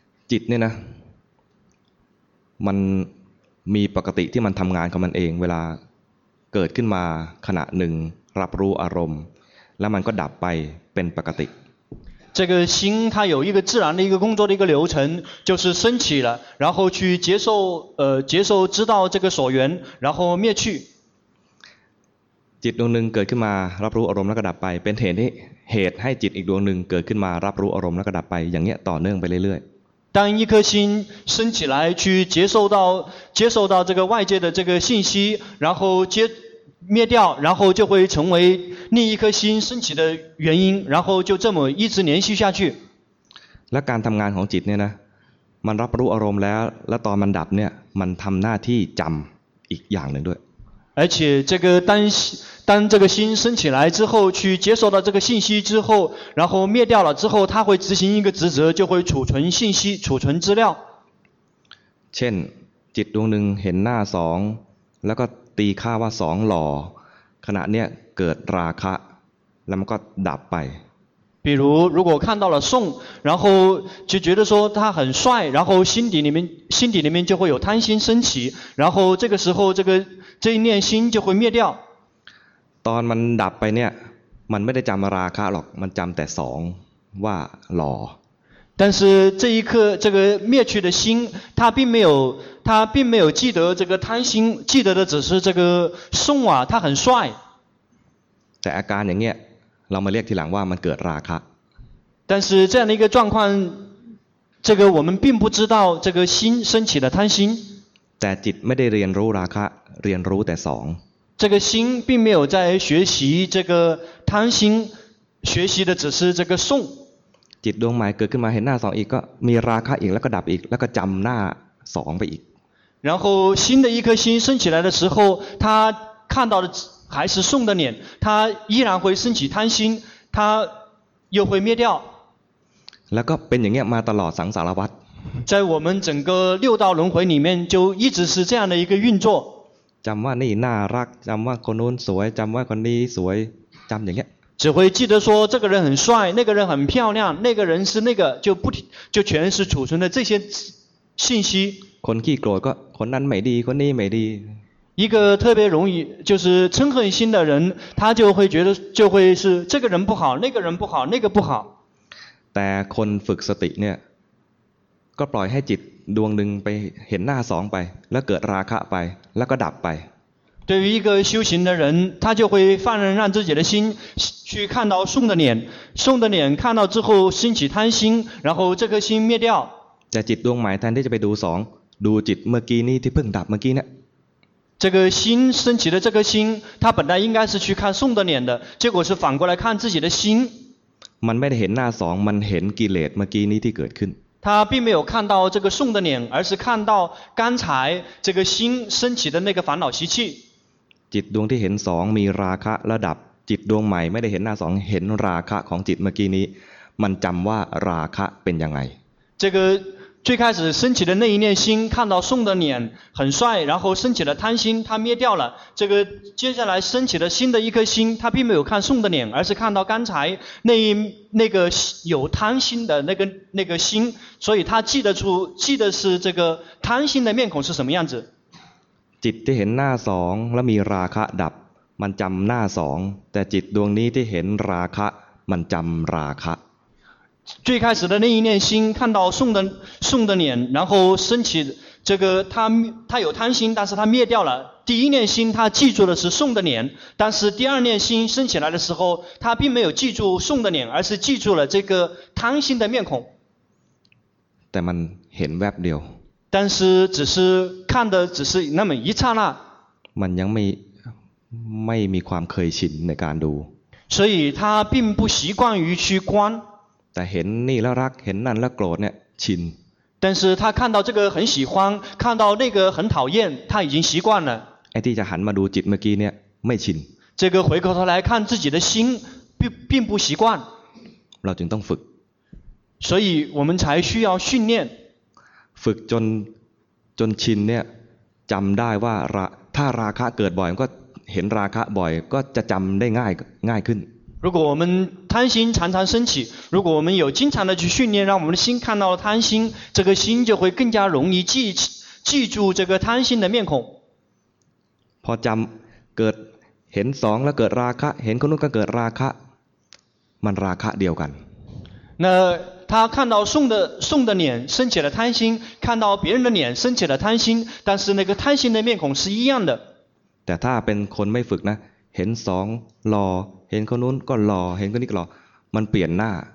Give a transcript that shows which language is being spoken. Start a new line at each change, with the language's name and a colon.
Thai: จิตเนี่ยนะมันมีปกติที่มันทำงานของมันเองเวลาเกิดขึ้นมาขณะหนึ่งรับรู้อารมณ์แล้วมันก็ดับไปเป็นปกติ
Chinese: 这个心它有一个自然的一个工作的一个流程，就是升起了，然后去接受知道这个所缘，然后灭去。
Thai: จิตดวงหนึ่งเกิดขึ้นมารับรู้อารมณ์แล้วก็ดับไปเป็นเหตุให้จิตอีกดวงหนึ่งเกิดขึ้นมารับรู้อารมณ์แล้วก็ดับไปอย่างเงี้ยต่อเนื่องไปเรื่อย
Chinese: ๆ当一颗心升起来去接受到这个外界的这个信息，然后接灭掉，然后就会成为另一颗心升起的原因，然后就这么一直连续下去。
Thai: และการทำงานของจิตเนี่ยนะมันรับรู้อารมณ์แล้วและตอนมันดับเนี่ยมันทำหน้าที่จำอีกอย่างหนึ่งด้วย
Chinese: 而且这个当这个心升起来之后，去接受到这个信息之后，然后灭掉了之后，它会执行一个职责，就会储存信息、储存资料。
Thai: เช่นจิตดวงหนึ่งเห็นหน้าสองแล้วก็ตีค่าว่าสองหล่อขณะเนี้ยเกิดราคะแล้วมันก็ดับไป
Chinese: 比如如果看到了宋，然后就觉得说他很帅，然后心底里面就会有贪心升起，然后这个时候这一念心就会灭掉。
Thai: ตอนมันดับไปเนี่ยมันไม่ได้จำราคะหรอกมันจำแต่สองว่าหล่อ
Chinese: 但是这一刻这个灭去的心他并没有记得这个贪心，记得的只是这个宋啊他很帅。
Thai: แต่อาการอย่างเงี้ยเรามาเรียกทีหลังว่ามันเกิดราคะ
Chinese: 但是这样的一个状况这个我们并不知道这个心升起的贪心
Thai: แต่จิตไม่ได้เรียนรู้ราคะเรียนรู้แต่สอง
Chinese: 这个心并没有在学习这个贪心学习的只是这个诵
Thai: จิตดวงใหม่เกิดขึ้นมาเห็นหน้าสองอีกก็มีราคะอีกแล้วก็ดับอีกแล้วก็จำหน้าสองไปอีก
Chinese: 然后新的一颗心升起来的时候他看到的还是宋的脸，他依然会升起贪心，他又会灭掉。
Thai: แล้วก็เป็นอย่างเงี้ยมาตลอดสังสารวัฏ
Chinese: 在我们整个六道轮回里面，就一直是这样的一个运作。
Thai: จำว่านี่น่ารักจำว่าคนนู้นสวยจำว่าคนนี้สวยจำอย่างเงี้ย
Chinese: 只会记得说这个人很帅，那个人很漂亮，那个人是那个，就不停就全是储存的这些信息。
Thai: คนขี้โกรธก็คนนั้นไม่ดีคนนี้ไม่ดี
Chinese: 一个特别容易就是嗔恨心的人，他就会觉得就会是这个人不好，那个人不好，那个不好。
Thai: แต่คนฝึกสติเนี่ยก็ปล่อยให้จิตดวงหนึ่งไปเห็นหน้าสองไปแล้วเกิดราคะไปแล้วก็ดับไป
Chinese: 对于一个修行的人，他就会放任让自己的心去看到宋的脸，宋的脸看到之后升起贪心，然后这颗心灭掉。
Thai: แต่จิตดวงใหม่แทนที่จะไปดูสองดูจิตเมื่อกี้นี้ที่เพิ่งดับเมื่อกี้เนี่ย
Chinese: 这个心升起的这颗心，他本来应该是去看宋的脸的，结果是反过来看自己的心。
Thai: มันไม่ได้เห็นหน้าสองมันเห็นกิเลสเมื่อกี้นี้ที่เกิดขึ้น
Chinese: 他并没有看到这个宋的脸，而是看到刚才这个心升起的那个烦恼习气。
Thai: จิตดวงที่เห็นสองมีราคะระดับจิตดวงใหม่ไม่ได้เห็นหน้าสองเห็นราคะของจิตเมื่อกี้นี้มันจำว่าราคะเป็นยังไง
Chinese: 这个最开始升起的那一念心，看到宋的脸很帅，然后升起了贪心，他灭掉了。这个接下来升起了新的一颗心，他并没有看宋的脸，而是看到刚才那个有贪心的那个心，所以他记得是这个贪心的面孔是什么样子。
Thai: จิตที่เห็นหน้าสองและมีราคะดับมันจำหน้าสองแต่จิตดวงนี้ที่เห็นราคะมันจำราคะ
Chinese: 最开始的那一念心看到宋的脸，然后升起这个他有贪心，但是他灭掉了。第一念心他记住的是宋的脸，但是第二念心升起来的时候，他并没有记住宋的脸，而是记住了这个贪心的面孔。
Thai: แต่มันเห็นแวบเดียว
Chinese: 但是只是看的只是那么一刹那。
Thai: มันยังไม่มีความเคยชินในการดู
Chinese: 所以他并不习惯于去观。
Thai: แต่เห็นนี่แล้วรักเห็นนั่นแล้วโกรธเนี่ยชิน
Chinese: 但是他看到这个很喜欢看到那个很讨厌他已经习惯了
Thai: ไอ้ที่จะหันมาดูจิตเมื่อกี้เนี่ยไม่ชิน
Chinese: 这个回过头来看自己的心并不习惯
Thai: เราจึงต้องฝึก
Chinese: 所以我们才需要训练
Thai: ฝึกจนชินเนี่ยจำได้ว่าถ้าราคะเกิดบ่อยก็เห็นราคะบ่อยก็จะจำได้ง่ายขึ้น
Chinese: 如果我们贪心常常升起，如果我们有经常的去训练，让我们的心看到了贪心，这个心就会更加容易记住这个贪心的面孔。
Thai: พอจำเกิดเห็นสองแล้วเกิดราคะเห็นคนนู้นก็เกิดราคะมันราคะเดียวกัน
Chinese: 那他看到宋的脸升起了贪心，看到别人的脸升起了贪心，但是那个贪心的面孔是一样的。
Thai: แต่ถ้าเป็นคนไม่ฝึกนะเห็นสองรอเห็นคนนู้นก็หล่อเห็นคนนี้ก็หล่อมันเปลี่ยนหน้า